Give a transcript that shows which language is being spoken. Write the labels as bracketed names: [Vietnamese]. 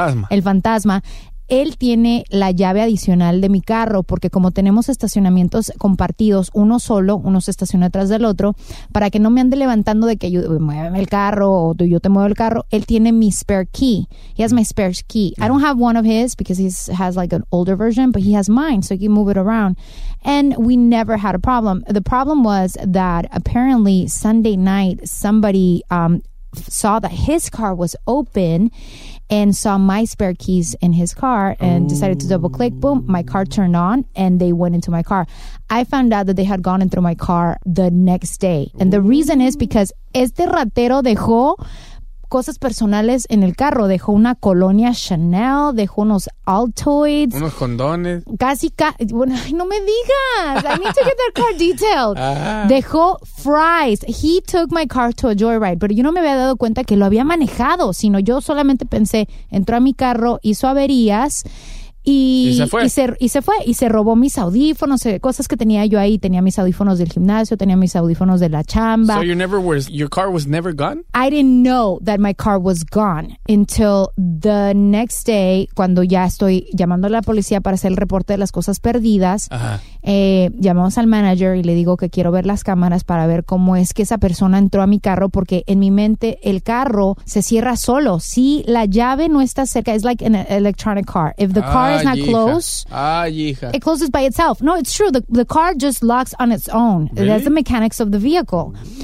[Spanish] el fantasma, él tiene la llave adicional de mi carro, porque como tenemos estacionamientos compartidos, uno solo, uno se estaciona atrás del otro, para que no me ande levantando de que yo mueve el carro o tú, yo te muevo el carro, él tiene mi spare key. [English] He has my spare key. I don't have one of his because he has like an older version, but he has mine, so he can move it around. And we never had a problem. The problem was that apparently Sunday night somebody saw that his car was open and saw my spare keys in his car and decided to double click, boom, my car turned on and they went into my car. I found out that they had gone into my car the next day. And the reason is because [Spanish] este ratero dejó cosas personales en el carro. Dejó una colonia Chanel, dejó unos Altoids. Unos condones. Bueno, ay, no me digas. [English] I need to get their car detailed. Ah. [Spanish] Dejó [English] fries. He took my car to a joyride. [Spanish] Pero yo no me había dado cuenta que lo había manejado, sino yo solamente pensé, entró a mi carro, hizo averías. Y se fue y se robó mis audífonos, cosas que tenía yo ahí. Tenía mis audífonos del gimnasio, tenía mis audífonos de la chamba. [English] So your car was never gone? I didn't know that my car was gone until the next day, [Spanish] cuando ya estoy llamando a la policía para hacer el reporte de las cosas perdidas. Llamamos al manager y le digo que quiero ver las cámaras para ver cómo es que esa persona entró a mi carro, porque en mi mente el carro se cierra solo. Si la llave no está cerca, [English] it's like an electronic car. If the car is not closed, it closes by itself. No, it's true. The car just locks on its own. Really? That's the mechanics of the vehicle.